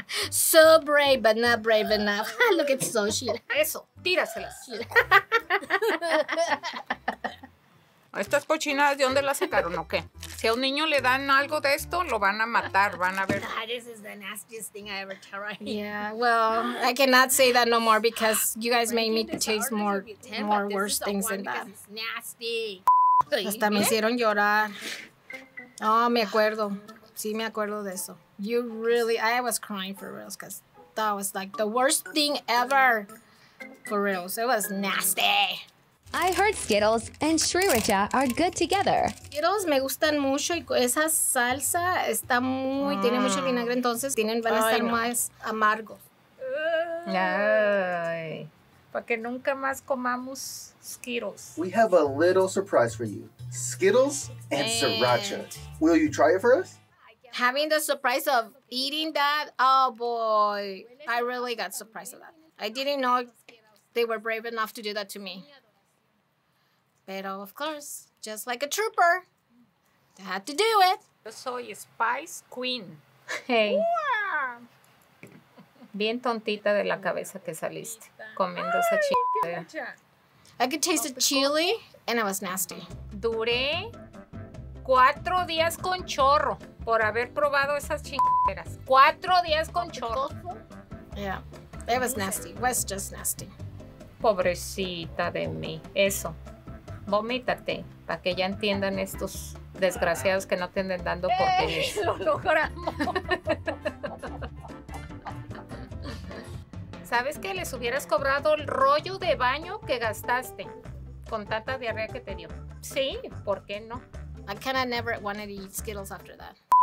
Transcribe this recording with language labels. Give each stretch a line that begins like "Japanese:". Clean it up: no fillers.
English: So brave, but not brave enough. Look at Sochi.
Spanish: Eso, tíraselas. Estas cochinadas, ¿de dónde las sacaron o qué? Si a un niño le dan algo de esto, lo van a matar, van a ver.
English: God, this is the nastiest thing I ever tried. Yeah, well, I cannot say that no more because you guys made me taste more, 10, more worse things than that. Nasty.
Spanish: Hasta me hicieron llorar. Oh, me acuerdo. Sí, me acuerdo de eso.
English: You really, I was crying for reals because that was like the worst thing ever. For reals, it was nasty. I heard Skittles and Sriracha are good together.
Spanish: Skittles me gustan mucho y esa salsa está muy, tiene mucho vinagre, entonces van a estar más amargos. Ay. para que nunca más comamos Skittles.
English: We have a little surprise for you. Skittles and sriracha. Will you try it for us? Having the surprise of eating that, oh boy. I really got surprised at that. I didn't know they were brave enough to do that to me. Pero, of course, just like a trooper, I had to do it.
Spanish: Yo soy Spice Queen. Hey. Bien tontita de la cabeza que saliste comiendo esa chingada.
English: I could taste the chili and it was nasty.
Spanish: Duré 4 días con chorro por haber probado esas chingaderas. 4 días con chorro.
English: Yeah, it was nasty. It was just nasty.
Spanish: Pobrecita de mí. Eso. Vomítate para que ya entiendan estos desgraciados que no te andan dando por tenis. Lo logramos. ¿Sabes que les hubieras cobrado el rollo de baño que gastaste con tanta diarrea que te dio? Sí, ¿por qué no?
English: I kinda never wanted to eat Skittles after that.